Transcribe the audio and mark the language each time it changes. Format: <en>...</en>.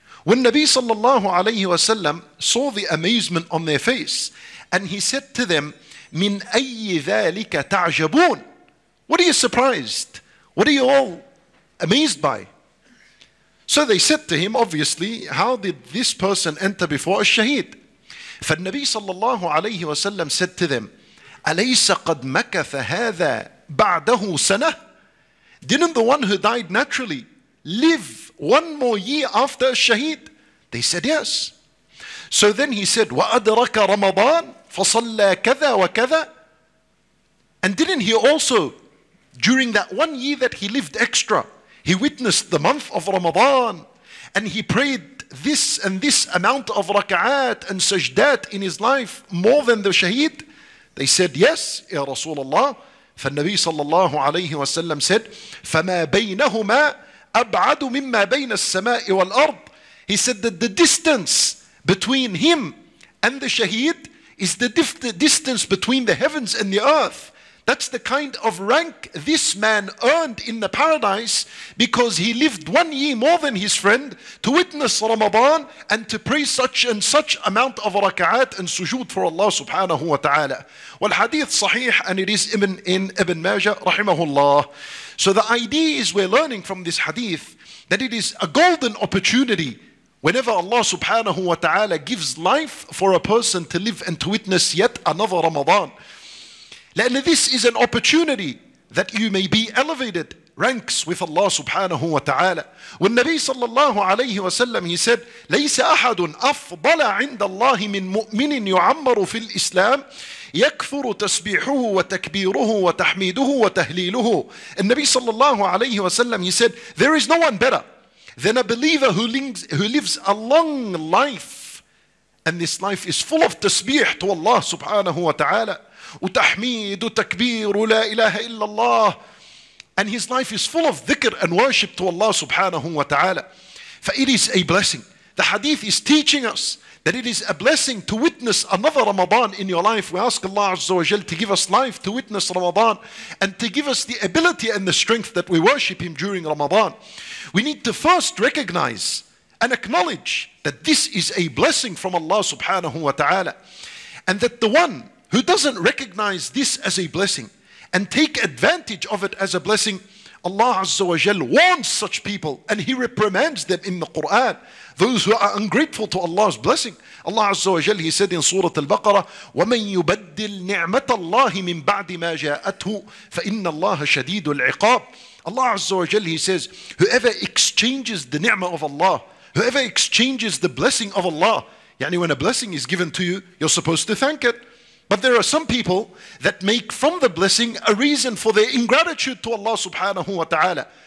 <en>When Nabi sallallahu alayhi wa sallam saw the amazement on their face, and he said to them,</en> <ar>مِنْ أَيِّ ذَٰلِكَ تَعْجَبُونَ.</ar> <en>What are you surprised? What are you all amazed by? So they said to him, obviously, how did this person enter before a shaheed?</en> <ar>فالنبي صلى الله عليه وسلم</ar> <en>said to them,</en> <ar>أَلَيْسَ قَدْ مَكَثَ هَذَا بَعْدَهُ سَنَةٌ.</ar> <en>Didn't the one who died naturally live one more year after a shaheed? They said, yes. So then he said,</en> <ar>وَأَدْرَكَ رَمَضَانَ فَصَلَّى كَذَا وَكَذَا.</ar> <en>And didn't he also, during that 1 year that he lived extra, he witnessed the month of Ramadan, and he prayed this and this amount of raka'at and sajdat in his life more than the shaheed? They said, yes, ya Rasulullah.</en> <ar>فالنبي صلى الله عليه وسلم</ar> <en>said,</en> <ar>فما بينهما أبعد مما بين السماء والأرض.</ar> <en>He said that the distance between him and the shaheed is the distance between the heavens and the earth. That's the kind of rank this man earned in the paradise because he lived 1 year more than his friend to witness Ramadan and to pray such and such amount of raka'at and sujood for Allah subhanahu wa ta'ala. Well, hadith sahih, and it is Ibn Majah rahimahullah. So the idea is, we're learning from this hadith that it is a golden opportunity whenever Allah subhanahu wa ta'ala gives life for a person to live and to witness yet another Ramadan. This is an opportunity that you may be elevated ranks with Allah subhanahu wa ta'ala. When Nabi sallallahu alayhi wa sallam, he said,</en> <ar>لَيْسَ أَحَدٌ أَفْضَلَ عِنْدَ اللَّهِ مِنْ مُؤْمِنٍ يُعَمَّرُ فِي الْإِسْلَامِ يَكْفُرُ تَسْبِيحُهُ وَتَكْبِيرُهُ وَتَحْمِيدُهُ وَتَهْلِيلُهُ.</ar> <en>And Nabi sallallahu alayhi wa sallam, he said, there is no one better than a believer who lives a long life, and this life is full of tasbih to Allah subhanahu wa ta'ala.</en> <ar>وتحميد وتكبير ولا إله إلا الله.</ar> <en>And his life is full of dhikr and worship to Allah subhanahu wa ta'ala. It is a blessing. The hadith is teaching us that it is a blessing to witness another Ramadan in your life. We ask Allah Azza wa Jal to give us life to witness Ramadan and to give us the ability and the strength that we worship him during Ramadan. We need to first recognize and acknowledge that this is a blessing from Allah subhanahu wa ta'ala, and that the one who doesn't recognize this as a blessing and take advantage of it as a blessing, Allah Azza wa Jal warns such people and he reprimands them in the Quran, those who are ungrateful to Allah's blessing. Allah Azza wa Jal, he said in Surah Al-Baqarah,</en> <ar>وَمَن يُبَدِّلْ نِعْمَةَ اللَّهِ مِنْ بَعْدِ مَا جَاءَتْهُ فَإِنَّ اللَّهَ شَدِيدُ الْعِقَابِ.</ar> <en>Allah Azza wa Jal, he says, whoever exchanges the ni'mah of Allah, whoever exchanges the blessing of Allah, yani when a blessing is given to you, you're supposed to thank it. But there are some people that make from the blessing a reason for their ingratitude to Allah subhanahu wa ta'ala.</en>